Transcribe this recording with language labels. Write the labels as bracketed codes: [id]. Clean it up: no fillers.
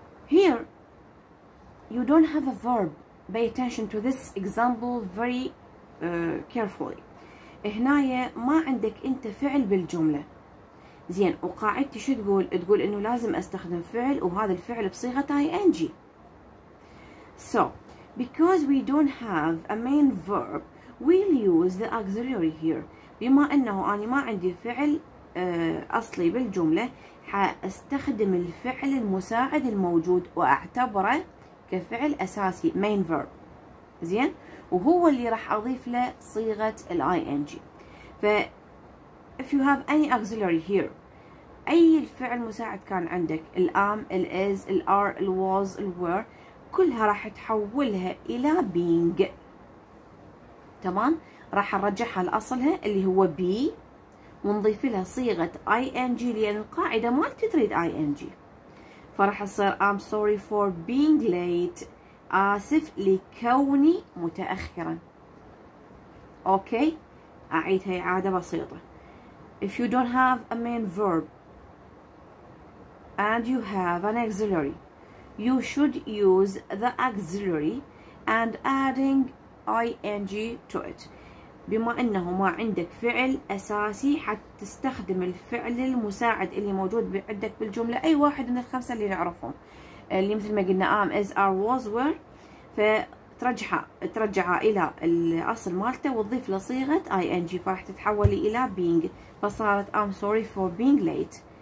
[en] Here you don't have a verb. Pay attention to this example very carefully. [ar] هنا ما عندك أنت فعل بالجملة. زين وقاعدتي شو تقول؟ تقول إنه لازم أستخدم فعل وهذا الفعل بصيغة ing. [en] So, because we don't have a main verb, we'll use the auxiliary here. [ar] بما إنه أنا ما عندي فعل أصلي بالجملة، حأستخدم الفعل المساعد الموجود وأعتبره كفعل أساسي main verb. زين؟ وهو اللي راح أضيف له صيغة ال ing. [en] ف if you have any auxiliary here. [ar] أي الفعل مساعد كان عندك الام الاز الار الواز الوير كلها راح تحولها إلى being. تمام؟ راح نرجعها لأصلها اللي هو be ونضيف لها صيغة ing لأن القاعدة ما تريد ing. فراح يصير [en] I'm sorry for being late. [ar] آسف لكوني متأخرا. أوكي؟ أعيدها إعادة بسيطة. [en] If you don't have a main verb and you have an auxiliary, you should use the auxiliary and adding ing to it. [ar] بما انه ما عندك فعل اساسي حتستخدم الفعل المساعد اللي موجود عندك بالجملة اي واحد من الخمسة اللي نعرفهم اللي مثل ما قلنا am, is, are, was, were. فترجعها الى الاصل مالته وتضيف له صيغة ing فراح تتحول الى being فصارت [en] I'm sorry for being late.